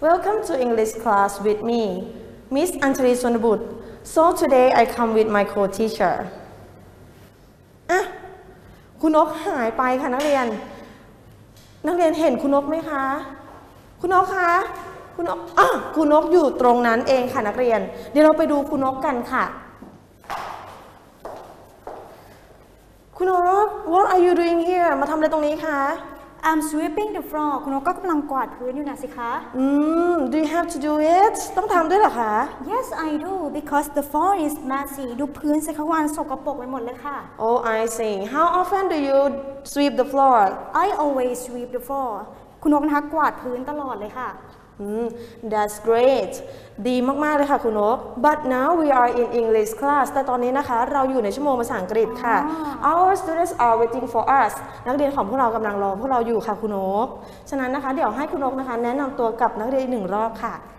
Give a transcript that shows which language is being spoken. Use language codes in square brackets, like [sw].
[en] Welcome to English class with me, Miss Anjali Sonabut. So today I come with my co-teacher. [th] คุณนกหายไปค่ะนักเรียนนักเรียนเห็นคุณนกไหมคะคุณนกคะคุณนกคุณนกอยู่ตรงนั้นเองค่ะนักเรียนเดี๋ยวเราไปดูคุณนกกันค่ะคุณนก [en] What are you doing here [th] มาทำอะไรตรงนี้คะ [en] I'm sweeping the floor [th] คุณนกก็กำลังกวาดพื้นอยู่นะสิคะ [en] do you have to do it [th] ต้องทำด้วยเหรอคะ [en] Yes I do because the floor is messy [th] ดูพื้นสิคะวันสกปรกไปหมดเลยค่ะ [en] Oh I see how often do you sweep the floor I always sweep the floor [th] คุณนกนะคะกวาดพื้นตลอดเลยค่ะ [en] That's great [th] ดีมากๆเลยค่ะคุณนก [en] But now we are in English class [th] แต่ตอนนี้นะคะเราอยู่ในชั่วโมงภาษาอังกฤษค่ะ [en] Our students are waiting for us [th] นักเรียนของพวกเรากำลังรอพวกเราอยู่ค่ะคุณนกฉะนั้นนะคะเดี๋ยวให้คุณนกนะคะแนะนำตัวกับนักเรียนอีกหนึ่งรอบค่ะ